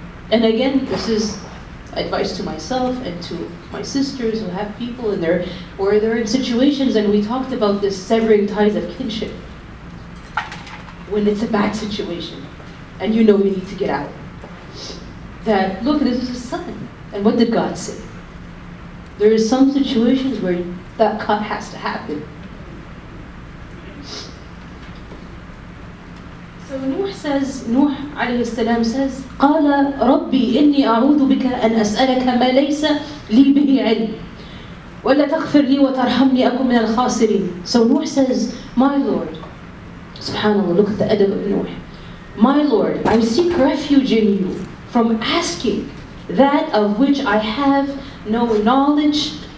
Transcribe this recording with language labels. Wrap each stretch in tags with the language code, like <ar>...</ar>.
<en>And again, this is advice to myself and to my sisters who have people in their, or they're in situations, and we talked about this severing ties of kinship. When it's a bad situation and you know you need to get out, that look, this is a son. And what did God say? There is some situations where that cut has to happen. So Nuh says, Nuh</en> <ar>عليه السلام</ar> <en>says,</en> <ar>قال ربي إني أعوذ بك أن أسألك ما ليس لي به علم ولا تغفر لي وترحمني أكون من الخاسرين.</ar> <en>So Nuh says, My Lord, Subhanallah, look at the adab of Nuh. My Lord, I seek refuge in you from asking that of which I have no knowledge.</en>